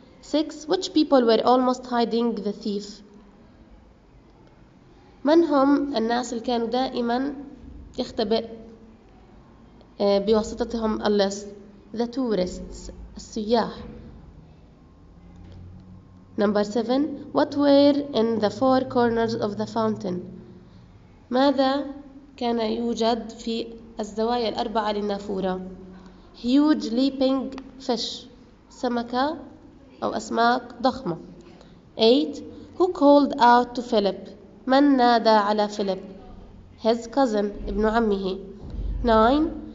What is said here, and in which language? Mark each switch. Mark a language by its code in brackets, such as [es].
[en] 6. Which people were almost hiding the thief? [ar] من هم الناس اللي كانوا دائما يختبئ بواسطتهم اللص؟ [en] The tourists، [ar] السياح. [en] Number 7. What were in the four corners of the fountain? [ar] ماذا كان يوجد في الزوايا الأربعة للنافورة؟ [en] Huge leaping fish، [ar] سمكة أو أسماك ضخمة. [en] 8. Who called out to Philip؟ [ar] من نادى على فيليب؟ [en] His cousin، [ar] ابن عمه. [en] 9.